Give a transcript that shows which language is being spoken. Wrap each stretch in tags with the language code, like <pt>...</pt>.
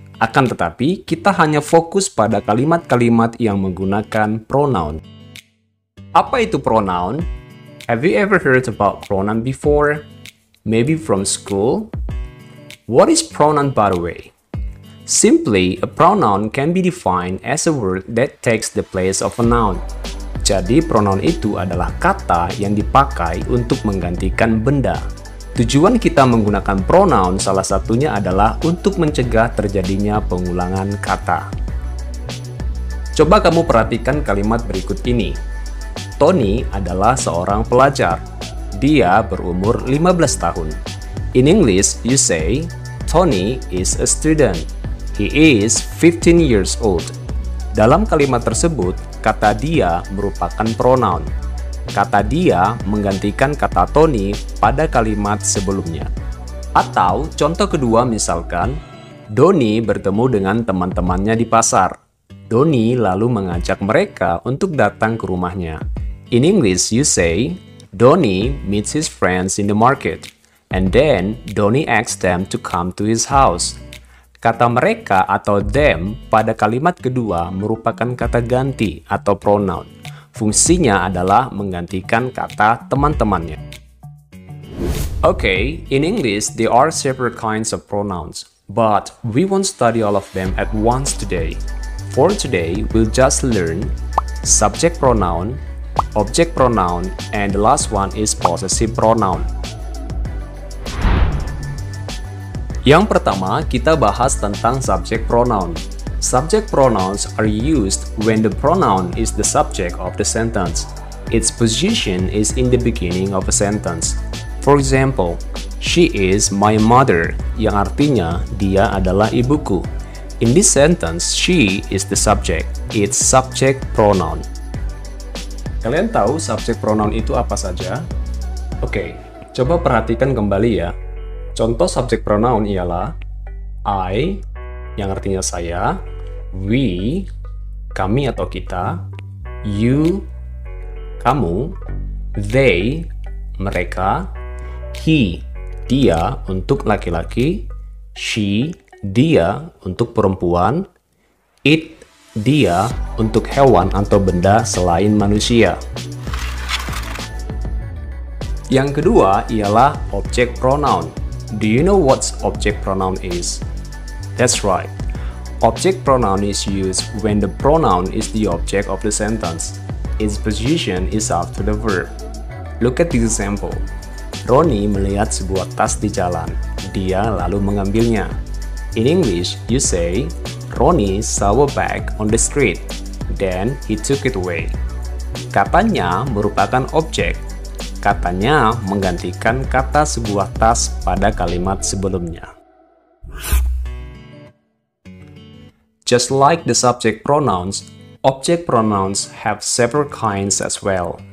<id>Akan tetapi, kita hanya fokus pada kalimat-kalimat yang menggunakan pronoun. Apa itu pronoun?</id> <en>Have you ever heard about pronoun before? Maybe from school? What is pronoun by the way? Simply, a pronoun can be defined as a word that takes the place of a noun.</en> <id>Jadi, pronoun itu adalah kata yang dipakai untuk menggantikan benda. Tujuan kita menggunakan pronoun salah satunya adalah untuk mencegah terjadinya pengulangan kata. Coba kamu perhatikan kalimat berikut ini. Tony adalah seorang pelajar. Dia berumur 15 tahun.</id> <en>In English, you say, Tony is a student. He is 15 years old.</en> <id>Dalam kalimat tersebut, kata dia merupakan pronoun. Kata dia menggantikan kata Tony pada kalimat sebelumnya. Atau contoh kedua misalkan, Doni bertemu dengan teman-temannya di pasar. Doni lalu mengajak mereka untuk datang ke rumahnya.</id> <en>In English, you say, Doni meets his friends in the market. And then, Doni asks them to come to his house.</en> <id>Kata mereka atau them pada kalimat kedua merupakan kata ganti atau pronoun. Fungsinya adalah menggantikan kata teman-temannya.</id> <en>Okay, in English, there are several kinds of pronouns, but we won't study all of them at once today. For today, we'll just learn subject pronoun, object pronoun, and the last one is possessive pronoun.</en> <id>Yang pertama, kita bahas tentang subject pronoun.</id> <en>Subject pronouns are used when the pronoun is the subject of the sentence. Its position is in the beginning of a sentence. For example, she is my mother,</en> <id>yang artinya dia adalah ibuku.</id> <en>In this sentence, she is the subject. It's subject pronoun.</en> <id>Kalian tahu subject pronoun itu apa saja? Oke, coba perhatikan kembali ya. Contoh subject pronoun ialah I, yang artinya saya, we, kami atau kita, you, kamu, they, mereka, he, dia untuk laki-laki, she, dia untuk perempuan, it, dia untuk hewan atau benda selain manusia. Yang kedua ialah object pronoun.</id> <en>Do you know what object pronoun is? That's right. Object pronoun is used when the pronoun is the object of the sentence. Its position is after the verb. Look at this example.</en> <id>Roni melihat sebuah tas di jalan. Dia lalu mengambilnya.</id> <en>In English, you say, Roni saw a bag on the street. Then he took it away.</en> <id>Katanya merupakan objek. Katanya menggantikan kata sebuah tas pada kalimat sebelumnya.</id> <en>Just like the subject pronouns, object pronouns have several kinds as well.</en>